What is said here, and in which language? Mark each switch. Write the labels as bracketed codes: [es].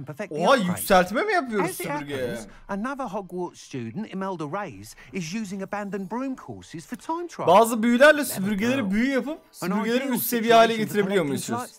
[tr] Oha, yükseltme mi yapıyoruz süpürgeye? [en] Another Hogwarts student, Imelda Reyes, is using abandoned broom courses for time trials. [tr] Bazı büyülerle süpürgeleri büyü yapıp süpürgeleri üst seviye hale getirebiliyor muyuz?